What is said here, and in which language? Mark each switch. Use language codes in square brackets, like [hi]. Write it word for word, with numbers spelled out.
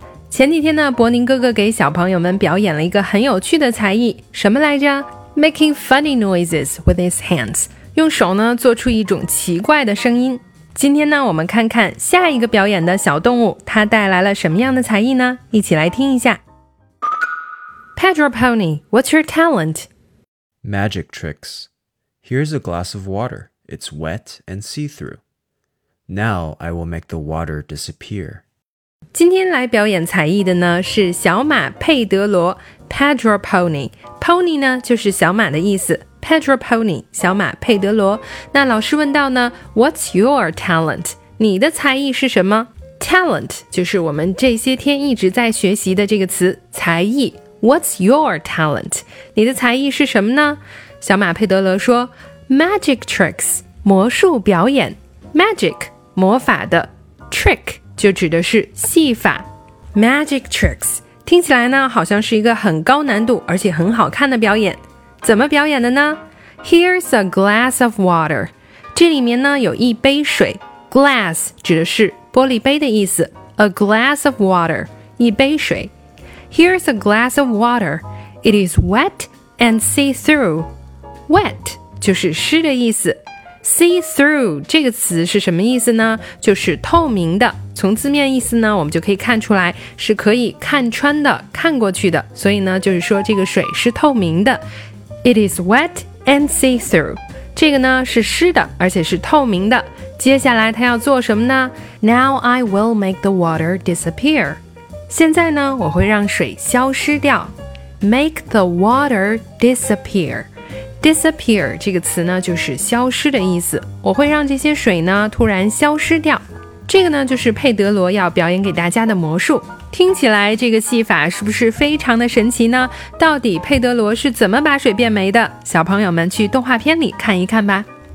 [zh] 前几天呢，博宁哥哥给小朋友们表演了一个很有趣的才艺，什么来着？ [en] Making funny noises with his hands， [zh] 用手呢做出一种奇怪的声音。今天呢，我们看看下一个表演的小动物，它带来了什么样的才艺呢？一起来听一下。 [en] Pedro Pony, what's your talent? Magic tricks. Here's a glass of water. It's wet and see-through. Now I will make the water disappear. [zh] 今天来表演才艺的呢是小马佩德罗 Pedro Pony. Pony 呢就是小马的意思。Pedro Pony 小马佩德罗。那老师问到呢 [en] What's your talent? [zh] 你的才艺是什么？ Talent 就是我们这些天一直在学习的这个词，才艺。 [en] What's your talent? [zh] 你的才艺是什么呢？小马佩德罗说 Magic tricks 魔术表演。 Magic 魔法的， Trick 就指的是戏法。 Magic tricks 听起来呢好像是一个很高难度而且很好看的表演。怎么表演的呢？ [en] Here's a glass of water， [zh] 这里面呢有一杯水。 Glass 指的是玻璃杯的意思。 [en] A glass of water [zh] 一杯水。 [en] Here's a glass of water. It is wet and see-through. [zh] Wet 就是湿的意思。 See-through 这个词是什么意思呢？就是透明的。从字面意思呢，我们就可以看出来是可以看穿的、看过去的。所以呢，就是说这个水是透明的。 [en] It is wet and see-through. [zh] 这个呢是湿的，而且是透明的。接下来它要做什么呢？ [en] Now I will make the water disappear. [zh] 现在呢，我会让水消失掉。 [en] Make the water disappear. [zh] Disappear 这个词呢，就是消失的意思。我会让这些水呢，突然消失掉。这个呢，就是佩德罗要表演给大家的魔术。听起来这个戏法是不是非常的神奇呢？到底佩德罗是怎么把水变没的？小朋友们去动画片里看一看吧。